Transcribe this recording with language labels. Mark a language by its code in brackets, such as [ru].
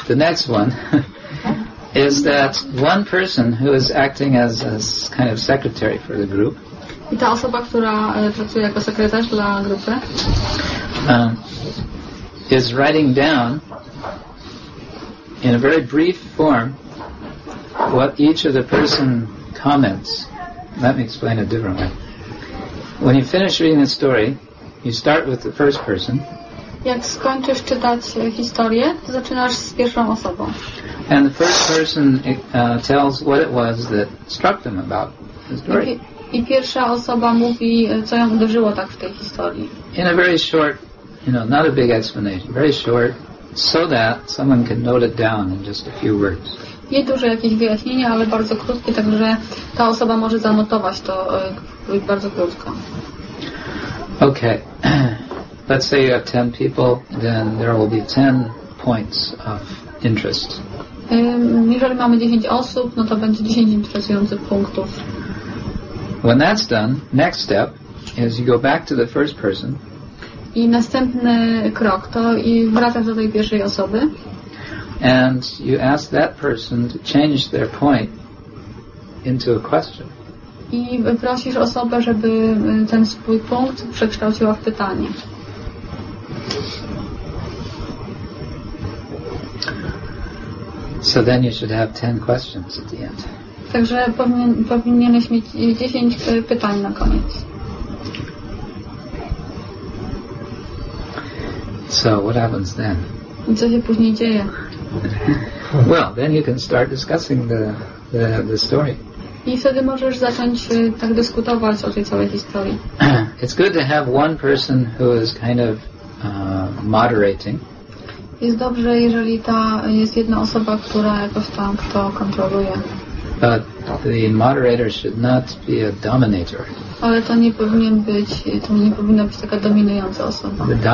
[en] The next one is that one person who is acting as a kind of secretary for the group. [pl] I ta osoba, która pracuje jako sekretarz dla grupy, [en] is writing down in a very brief form what each of the person comments. Let me explain it differently. When you finish reading the story, you start with the first person. [pl] Jak skończysz czytać historię, to zaczynasz z pierwszą osobą. [en] And the first person tells what it was that struck them about the story. [pl] I pierwsza osoba mówi, co ją uderzyło tak w tej historii. [en] In a very short, you know, not a big explanation, very short, so that someone can note it down in just a few words. [pl] Nie duże jakieś wyjaśnienie, ale bardzo krótkie, także ta osoba może zanotować to bardzo krótko. [en] Okay. Let's say you have 10 people, then there will be 10 points of interest. [pl] Jeżeli mamy 10 osób, no to będzie 10 interesujących punktów. [en] When that's done, next step is you go back to the first person. [pl] I następny krok to i wracasz do tej pierwszej osoby. [en] And you ask that person to change their point into a question. [pl] I prosisz osobę, żeby ten swój punkt przekształciła w pytanie. [en] So then you should have 10 questions at the end. [pl] Także powinieneś mieć 10 pytań na koniec. [en] So what happens then? [pl] I co się później dzieje? [en] Well, then you can start discussing the story. [pl] I wtedy możesz zacząć tak dyskutować o tej całej historii. [en] It's good to have one person who is kind of moderating. [pl] Jest dobrze, jeżeli ta jest jedna osoba, która jakoś tam to kontroluje. [en] But the moderator should not be a dominator. [pl] Ale to nie powinien być, to nie powinna być taka dominująca osoba.